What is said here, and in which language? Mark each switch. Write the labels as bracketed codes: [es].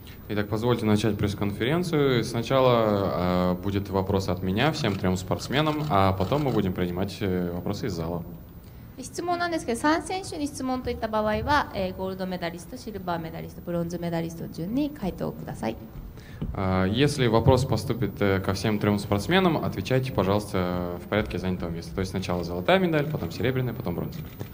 [ru] Итак, позвольте начать пресс-конференцию. Сначала будет вопрос от меня, всем трем спортсменам, а потом мы будем принимать вопросы из зала. [ja] 質問なんですけど、3選手に質問といった場合は、ゴールドメダリスト、シルバーメダリスト、ブロンズメダリスト順に回答ください。 [ru] Если вопрос поступит ко всем трем спортсменам, отвечайте, пожалуйста, в порядке занятого места. То есть сначала золотая медаль, потом серебряная, потом бронзовая.